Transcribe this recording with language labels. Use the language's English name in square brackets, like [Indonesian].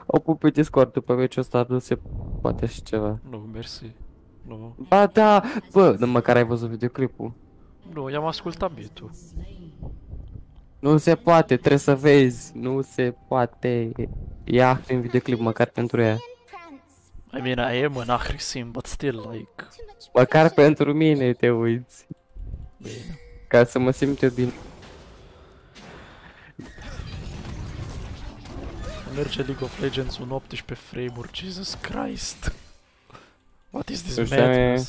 [Romanian] O pun pe Discord după meciul ăsta, nu se poate și ceva. Nu, mersi. Nu. Ba, da! Bă, nu măcar ai văzut videoclipul. Nu, i-am ascultat beat-ul. Nu se poate, trebuie să vezi. Nu se poate. Ia prin videoclip, măcar pentru ea. [English] I mean, I am an Ahrisim, but still, like... [Romanian] Măcar pentru mine te uiți. Bine. Ca să mă simt eu bine. Merge League of Legends un 18 frame-uri, [English] Jesus Christ! What is this [Romanian] nu [English] madness?